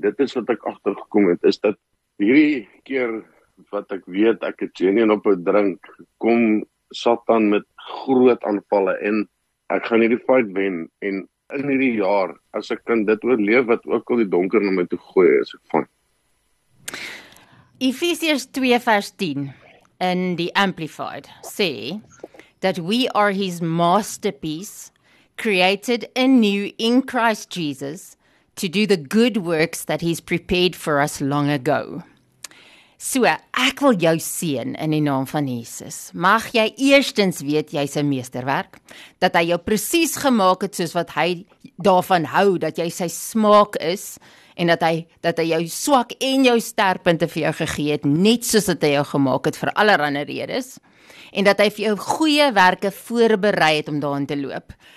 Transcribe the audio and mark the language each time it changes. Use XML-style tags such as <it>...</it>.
<af>Dit is wat ek agtergekom het, is dat hierdie keer wat ek weet, ek het genuen op 'n drink, kom Satan met groot aanvalle en ek gaan hierdie fight wen en in hierdie jaar, as ek kan dit oorleef wat ook al die donker na my toe gooi, is ek van. Efesiërs 2 vers 10 in die Amplified sê</af> <en>that we are his masterpiece created anew in Christ Jesus to do the good works that he's prepared for us long ago.</en> <af>So, ek wil jou seën in die naam van Jesus. Mag jy eerstens weet jy's 'n meesterwerk, dat hy jou presies gemaak het soos wat hy daarvan hou dat jy sy smaak is en dat hy jou swak en jou sterkpunte vir jou gegee het, net soos dat hy jou gemaak het vir allerlei redes en dat hy vir jou goeie werke voorberei het om daarin te loop.</af>